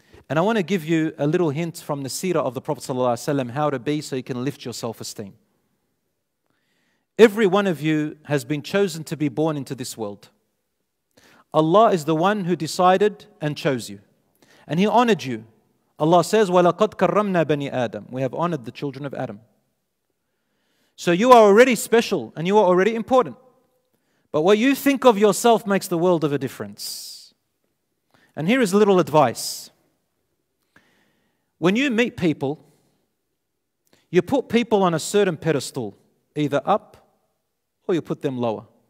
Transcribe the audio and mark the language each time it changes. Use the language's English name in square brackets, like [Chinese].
[English] And I want to give you a little hint from the seerah of the Prophet sallallahu alaihi wasallam, how to be so you can lift your self-esteem. Every one of you has been chosen to be born into this world. Allah is the one who decided and chose you. And He honored you. Allah says, [Arabic] وَلَقَدْ كَرَّمْنَا بَنِي آدَمْ. [English] We have honored the children of Adam. So you are already special and you are already important. But what you think of yourself makes the world of a difference. And here is a little advice. When you meet people, you put people on a certain pedestal, either up or you put them lower.